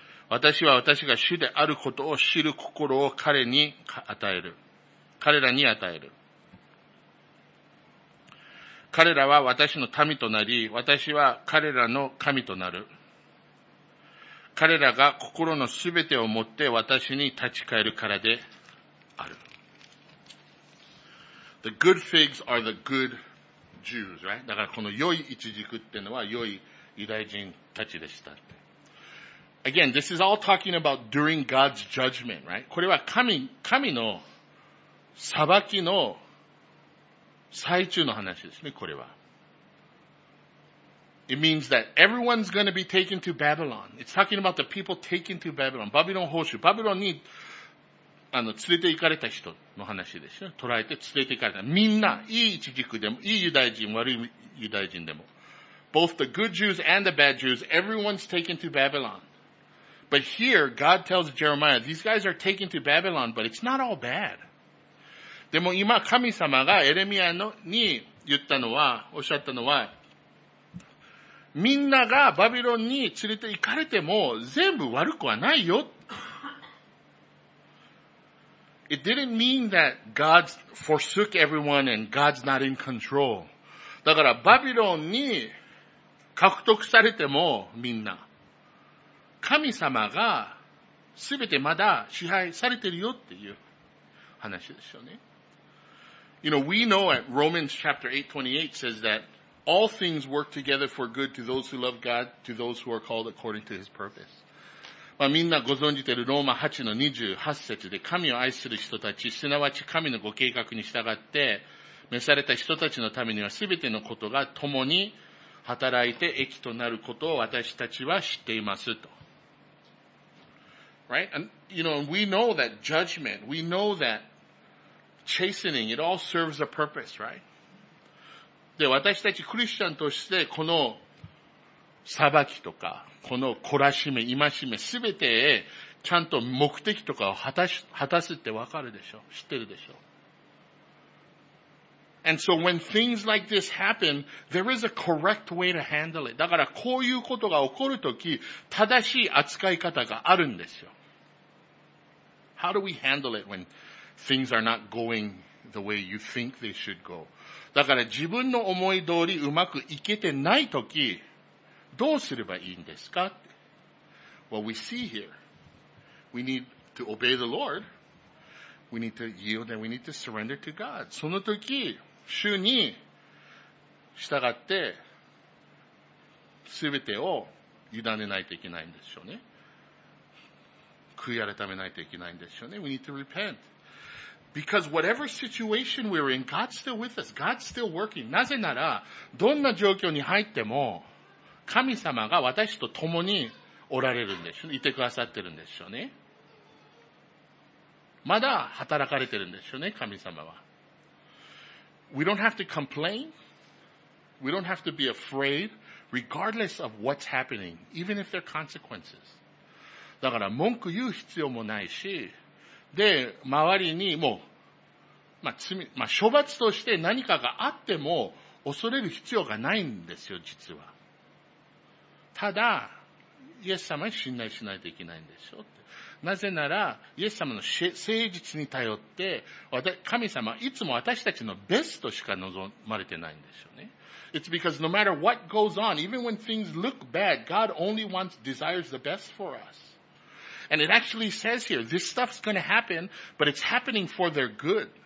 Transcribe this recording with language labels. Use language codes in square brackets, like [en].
[ja] 私は私が主であることを知る心を彼に与える。彼らに与える。彼らは私の民となり、私は彼らの神となる。彼らが心のすべてを持って私に立ち返るからである。 [en] The good figs are the good Jews, right? [ja] だからこの良いイチジクってのは良いユダヤ人たちでした。 [en] Again, this is all talking about during God's judgment, right? [ja] これは神の裁きの最中の話ですね、これは。 [en] It means that everyone's going to be taken to Babylon. It's talking about the people taken to Babylon. [ja] Babylon 捕囚。Babylon に、連れて行かれた人の話ですよ。捕らえて連れて行かれた。みんな、いい一軸でも、いいユダヤ人、悪いユダヤ人でも。 [en] Both the good Jews and the bad Jews, everyone's taken to Babylon. But here, God tells Jeremiah, these guys are taken to Babylon, but it's not all bad. [ja] でも今、神様がエレミアに言ったのは、おっしゃったのは、みんながバビロンに連れて行かれても全部悪くはないよ。 [en] It didn't mean that God forsook everyone and God's not in control. [ja] だからバビロンに獲得されてもみんな。神様がすべてまだ支配されてるよっていう話ですよね。 [en] You know, we know at Romans chapter 8:28 says thatAll things work together for good to those who love God, to those who are called according to His purpose. [ja] まあみんなご存じているローマ8の28節で神を愛する人たち、すなわち神のご計画に従って召された人たちのためには全てのことが共に働いて益となることを私たちは知っていますと。 [en] Right? And, you know, we know that judgment, we know that chastening, it all serves a purpose, right? [ja] で、私たちクリスチャンとして、この裁きとか、この懲らしめ、戒め、すべてへ、ちゃんと目的とかを果たすってわかるでしょ? 知ってるでしょ? [en] And so when things like this happen, there is a correct way to handle it. [ja] だから、こういうことが起こるとき、正しい扱い方があるんですよ。 [en] How do we handle it when things are not going the way you think they should go? [ja] だから自分の思い通りうまくいけてないとき、どうすればいいんですか? [en] Well, we see here. We need to obey the Lord. We need to yield and we need to surrender to God. [ja] そのとき、主に従って、すべてを委ねないといけないんでしょうね。悔い改めないといけないんでしょうね。 [en] We need to repent. Because whatever situation we're in, God's still with us. God's still working. [ja] なぜなら、どんな状況に入っても、神様が私と共におられるんでしょ?いてくださってるんでしょうね。まだ働かれてるんですよね、神様は。 [en] We don't have to complain. We don't have to be afraid, regardless of what's happening, even if there are consequences. [ja] だから文句言う必要もないし、で、周りにもう、まあ罪、まあ処罰として何かがあっても恐れる必要がないんですよ、実は。ただ、イエス様に信頼しないといけないんでしょって。なぜなら、イエス様の誠実に頼って、神様はいつも私たちのベストしか望まれてないんですよね。 [en] It's because no matter what goes on, even when things look bad, God only wants, desires the best for us. And it actually says here, this stuff's gonna happen, but it's happening for their good.